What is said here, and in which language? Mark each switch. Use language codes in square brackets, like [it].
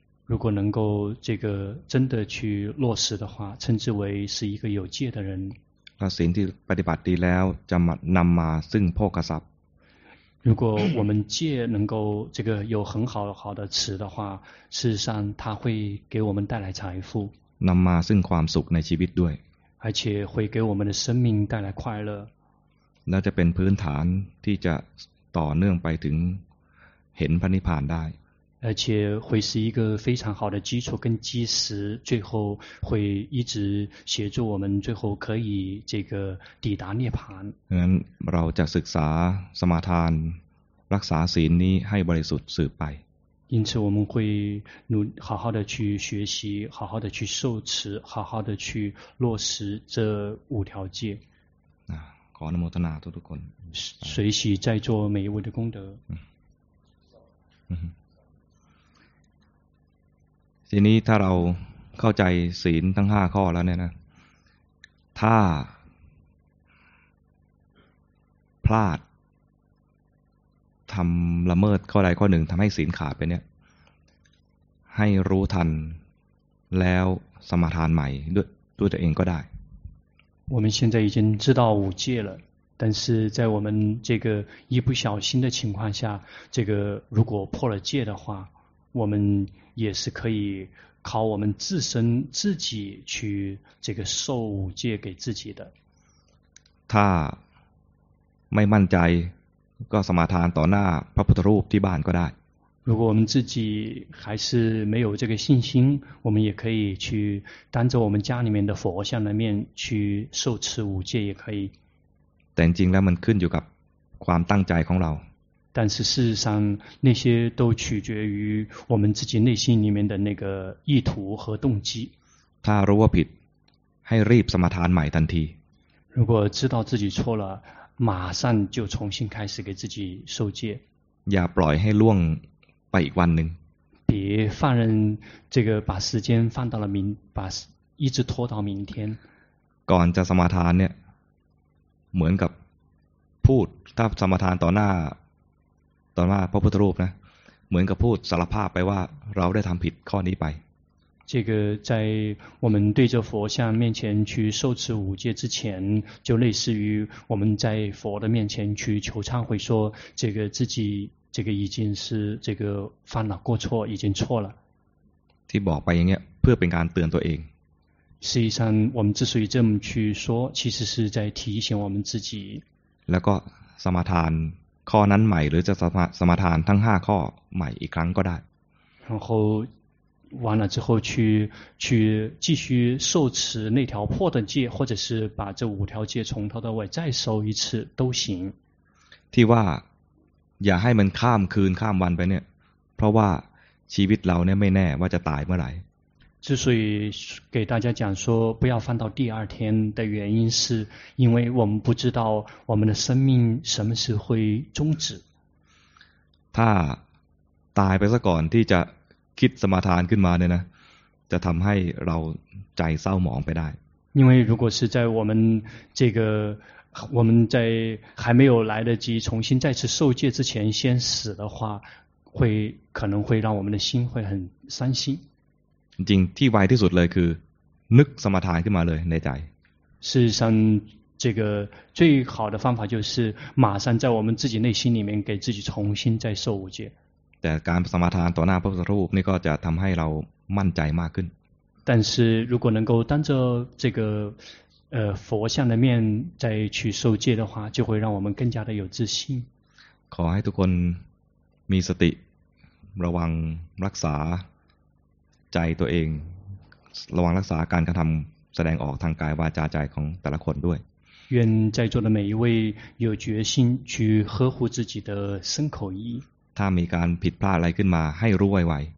[zh] 如果能够这个真的去落实的话称之为是一个有戒的人 [th] 那ศีลที่ปฏิบัติดีแล้วจะมานำมาซึ่งโภคทรัพย์ [zh] 如果我们戒能够这个有很好好的持的话事实上它会给我们带来财富 [th] นำมาซึ่งความสุขในชีวิตด้วย [zh] 而且会给我们的生命带来快乐 [th] น่าจะเป็นพื้นฐานที่จะต่อเนื่องไปถึงเห็นพระนิพพานได้ [zh] 而且会是一个非常好的基础跟基石最后会一直协助我们最后可以这个抵达涅槃 [th] งั้นเราจะศึกษาสมาทานรักษาศีลนี้ให้บริสุทธิ์สืบไป [zh] 因此我们会努好好的去学习好好的去受持好好的去落实这五条戒 [th] ขออนุโมทนาทุกคน [zh] 随喜在做每一位的功德 [th] ทีนี้ถ้าเราเข้าใจศีลทั้ง5ข้อแล้วเนี่ยนะถ้าพลาดทำละเมิดข้อใดข้อหนึ่งทำให้ศีลขาดไปเนี่ยให้รู้ทันแล้วสมาทานใหม่ด้วยตัวเองก็ได้ [zh] 我们现在已经知道五戒了但是在我们这个一不小心的情况下这个如果破了戒的话我们也是可以靠我们自身自己去这个受五戒给自己的 [th] ถ้าไม่มั่นใจก็สมาทานต่อหน้าพระพุทธรูปที่บ้านก็ได้ [zh] 如果我们自己还是没有这个信心我们也可以去当着我们家里面的佛像的面去受持五戒也可以 [th] แต่จริงแล้วมันขึ้นอยู่กับความตั้งใจของเรา แต่ [zh] 事实上那些都取决于我们自己内心里面的那个意图和动机 [th] ถ้ารู้ว่าผิดให้รีบสมาทานใหม่ทันที [zh] 如果知道自己错了马上就重新开始给自己受戒 [th] อย่าปล่อยให้ล่วงไปอีกวันหนึ่ง [zh] 别放任这个把时间放到了明把一直拖到明天 [th] ก่อนจะสมาทานเนี่ยเหมือนกับพูดถ้าสมาทานต่อหน้าตอนว่าพระพุทธรูปนะเหมือนกับพูดสารภาพไปว่าเราได้ทำผิดข้อนี้ไป [zh] 这个在我们对着佛像面前去受持五戒之前就类似于我们在佛的面前去求忏悔说这个自己这个已经是这个犯了过错已经错了 [th] ที่บอกไปอย่างเงี้ยเพื่อเป็นการเตือนตัวเอง [zh] 实际上我们之所以这么去说其实是在提醒我们自己 [th] แล้วก็สมาทานข้อนั้นใหม่หรือจะสมาทานทั้ง5ข้อใหม่อีกครั้งก็ได้ [zh] 然后完了之后去继续受持那条破的戒或者是把这五条戒从头到尾再受一次都行 [th] ที่ว่าอย่าให้มันข้ามคืนข้ามวันไปเนี่ยเพราะว่าชีวิตเราเนี่ยไม่แน่ว่าจะตายเมื่อไหร่ [zh] 之所以给大家讲说不要放到第二天的原因是因为我们不知道我们的生命什么时候会终止 [th] ถ้าตายไปซะก่อนที่จะคิดสมาทานขึ้นมาเนี่ยนะจะทำให้เราใจเศร้าหมองไปได้ [zh] 因为如果是在我们这个我们在还没有来得及重新再次受戒之前先死的话会可能会让我们的心会很伤心 [th] จริงที่ไวที่สุดเลยคือนึกสมาทานขึ้นมาเลยในใจ [zh] 事实上这个最好的方法就是马上在我们自己内心里面给自己重新再受五戒 [th] แต่การสมาทานต่อหน้าพระพุทธรูปนี่ก็จะทำให้เรามั่นใจมากขึ้น [zh] 但是如果能够当着这个佛像的面再去受戒的话就会让我们更加的有自信 [th] ขอให้ทุกคนมีสติระวังรักษาใจตัวเองระวังรักษาการกระทำแสดงออกทางกายวาจาใจของแต่ละคนด้วย [zh] 愿在座的每一位有决心去呵护自己的身口意 [th] ถ้ามีการผิดพลาดอะไรขึ้นมาให้รู้ไว